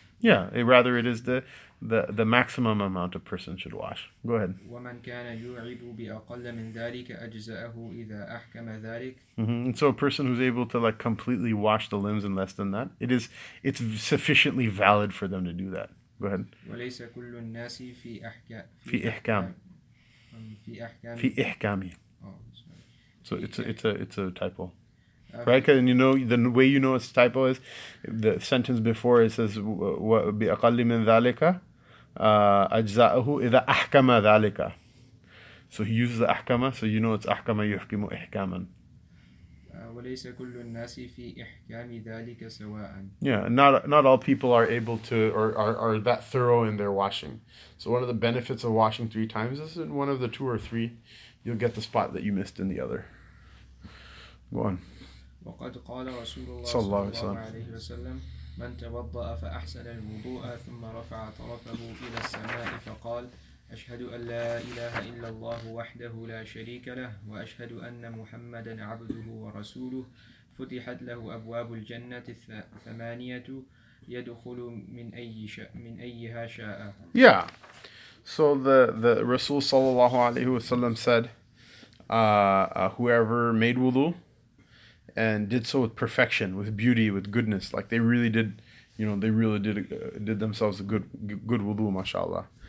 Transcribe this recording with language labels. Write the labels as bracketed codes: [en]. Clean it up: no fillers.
[en] Yeah, rather it is the maximum amount a person should wash. Go ahead. [ar] ومن كان يعيب بأقل من ذلك أجزأه إذا أحكم ذلك. Mm-hmm. [en] So a person who's able to like completely wash the limbs in less than that, it's sufficiently valid for them to do that. Go ahead. [ar] وليس كل الناس في إحكام. في إحكامي. [en] So it's a typo. Right, and you know the way you know it's a typo is the sentence before it says [ar] بِأَقَلِّ مِنْ ذَلِكَ أَجْزَاءُهُ إِذَا أَحْكَمَ ذَلِكَ. [en] So he uses the أَحْكَمَ, so you know it's [ar] أَحْكَمَ يُحْكِمُ إِحْكَامًا. وَلَيْسَ كُلُّ النَّاسِ فِي إِحْكَامِ ذَلِكَ سَوَاءً. [en] Yeah, not all people are able to or are that thorough in their washing. So one of the benefits of washing three times is in one of the two or three, you'll get the spot that you missed in the other. Go on. [ar] وقد قال رسول الله صلى الله عليه وسلم من توضأ فأحسن الوضوء ثم رفع طرفه إلى السماء فقال أشهد أن لا إله إلا الله وحده لا شريك له وأشهد أن محمدا عبده ورسوله فتحت له أبواب الجنة الثمانية يدخل من أي من أيها شاء. [en] Yeah, so the Rasul [ar] صلى الله عليه وسلم [en] said whoever made wudu and did so with perfection, with beauty, with goodness, like they really did, you know, they really did themselves a good wudu, mashallah.